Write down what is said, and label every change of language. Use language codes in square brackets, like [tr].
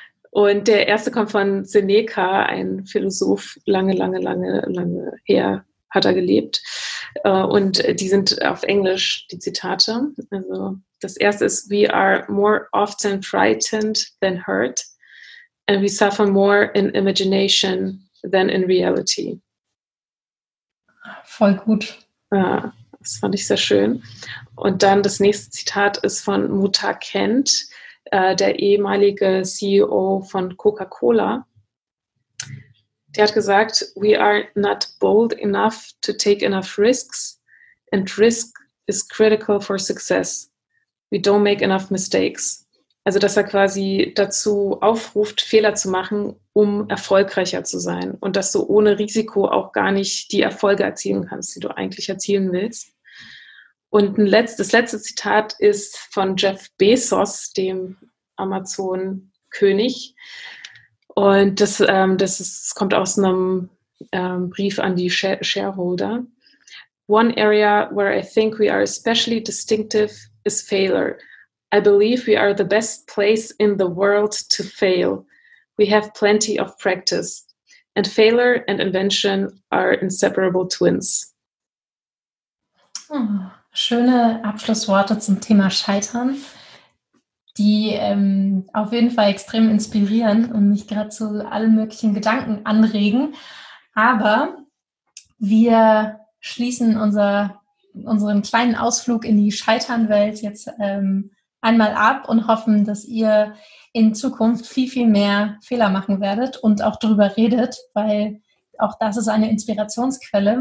[de] und der erste kommt von Seneca, ein Philosoph, lange, lange, lange, lange her hat er gelebt. Und die sind auf Englisch, die Zitate. Also das erste ist, [en] we are more often frightened than hurt and we suffer more in imagination than in reality. [de] Voll gut. Ja. Das fand ich sehr schön. Und dann das nächste Zitat ist von Muta Kent, der ehemalige CEO von Coca-Cola. Der hat gesagt, [en] we are not bold enough to take enough risks and risk is critical for success. We don't make enough mistakes. [de] Also, dass er quasi dazu aufruft, Fehler zu machen, um erfolgreicher zu sein und dass du ohne Risiko auch gar nicht die Erfolge erzielen kannst, die du eigentlich erzielen willst. Und das letzte Zitat ist von Jeff Bezos, dem Amazon-König. Und das kommt aus einem Brief an die Shareholder. [en] One area where I think we are especially distinctive is failure. I believe we are the best place in the world to fail. We have plenty of practice. And failure and invention are inseparable twins. Hm. [de] Schöne Abschlussworte zum Thema Scheitern, die auf jeden Fall extrem inspirieren und mich gerade zu allen möglichen Gedanken anregen. Aber wir schließen unseren kleinen Ausflug in die Scheiternwelt jetzt einmal ab und hoffen, dass ihr in Zukunft viel, viel mehr Fehler machen werdet und auch darüber redet, weil auch das ist eine Inspirationsquelle.